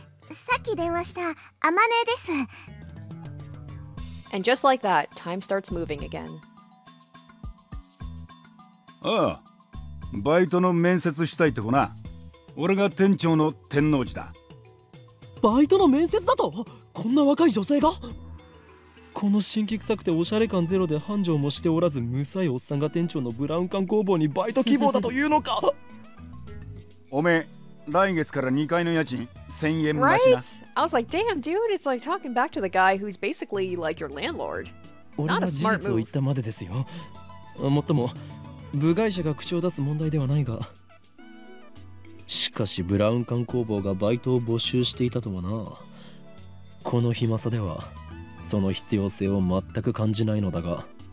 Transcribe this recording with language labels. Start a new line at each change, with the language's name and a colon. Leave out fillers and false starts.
Japanese: さっき電話したアマネです。
English: And just like that, time starts moving again.
Japanese: ああ、バイトの面接したいってこな。俺が店長の天王寺だ。バイトの面接だと？こんな若い女性が？この辛気臭くておしゃれ感ゼロで繁盛もしておらず、むさいおっさんが店長のブラウン管工房にバイト希望だというのか？おめえ、来月から2階の家賃1000円増しな。
English: Right? I was like, damn, dude, it's like talking back to the guy who's basically like your landlord. Not a smart move.
Japanese: 俺が事実を言ったまでですよ。もっとも、部外者が口を出す問題ではないが。しかし、ブラウン管工房がバイトを募集していたとはな。この暇さでは、その必要性を全く感じないのだが。